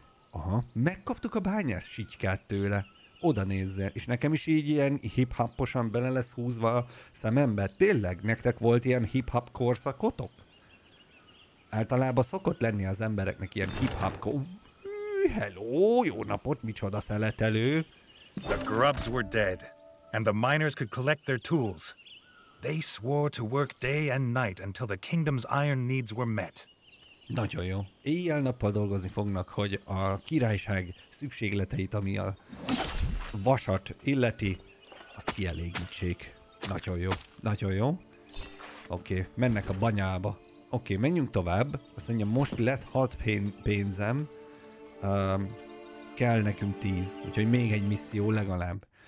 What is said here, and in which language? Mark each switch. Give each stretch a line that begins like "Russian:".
Hungarian: Aha, megkaptuk a bányász sityikát tőle. Oda nézzél. És nekem is így ilyen hip-hoposan bele lesz húzva a szemembe. Tényleg, nektek volt ilyen hip-hop korszakotok? Általában szokott lenni az embereknek ilyen hip-hop Hello, jó napot, micsoda szeletelő.
English: The grubs were dead, and the miners could collect their tools. They swore to work day and night until the kingdom's iron needs were met.
Hungarian: Nagyon jó. Éjjel-nappal dolgozni fognak, hogy a királyság szükségleteit, ami a vasat illeti, azt kielégítsék. Nagyon jó. Oké, mennek a banyába. Oké, menjünk tovább. Azt mondja, most lett 6 pénzem, kell nekünk 10, úgyhogy még egy misszió legalább.